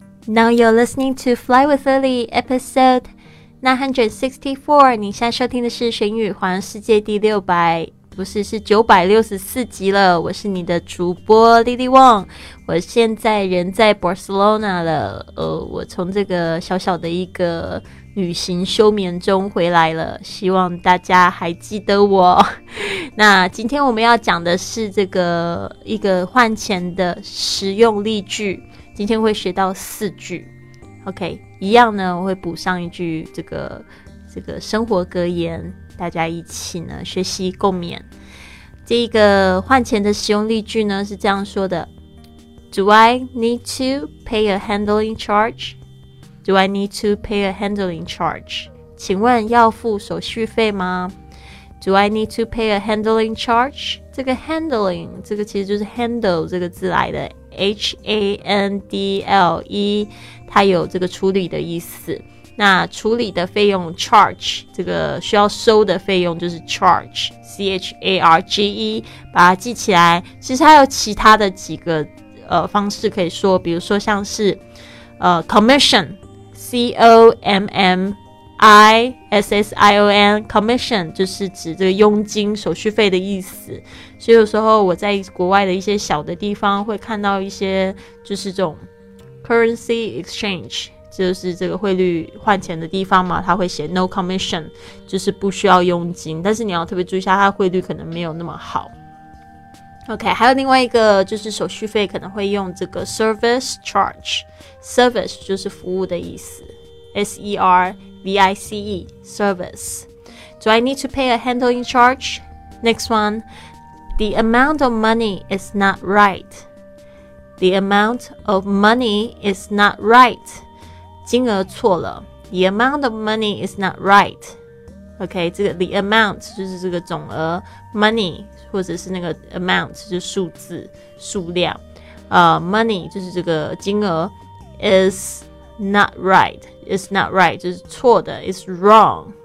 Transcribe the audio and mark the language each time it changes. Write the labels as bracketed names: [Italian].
[English] Now you're listening to Fly with Lily, episode 964. [Chinese] 你现在收听的是《玄宇环游世界》第六百，不是，是964集了。我是你的主播 Lily Wong， 我现在人在 Barcelona 了。我从这个小小的一个旅行休眠中回来了，希望大家还记得我。那今天我们要讲的是这个一个换钱的实用例句。今天会学到四句 ，OK， 一样呢，我会补上一句这个生活格言，大家一起呢学习共勉。这个换钱的使用例句呢是这样说的 ： [English] Do I need to pay a handling charge? Do I need to pay a handling charge? [Chinese] 请问要付手续费吗 [English] ？Do I need to pay a handling charge? [Chinese] 这个 handling 这个其实就是 handle 这个字来的。 H-A-N-D-L-E 它有这个处理的意思，那处理的费用 charge 这个需要收的费用就是 charge C-H-A-R-G-E 把它记起来。其实还有其他的几个方式可以说，比如说像是commission C-O-M-M-I-S-S-I-O-N commission 就是指这个佣金手续费的意思。所以有时候我在国外的一些小的地方会看到一些就是这种 currency exchange， 就是这个汇率换钱的地方嘛，他会写 no commission， 就是不需要佣金，但是你要特别注意一下，它汇率可能没有那么好。 OK， 还有另外一个就是手续费可能会用这个 service charge， service 就是服务的意思， S-E-R-V-I-C-E service。 [English] Do I need to pay a handling charge? Next oneThe amount of money is not right. The amount of money is not right. [Chinese] 金额错了。 [English] The amount of money is not right. [Chinese] OK, 这个 the amount 就是这个总额 ，money 或者是那个 amount 就是数字数量。 [English] Money [Chinese] 就是这个金额 [English] is not right. Is not right [Chinese] 就是错的 [English] ，is wrong.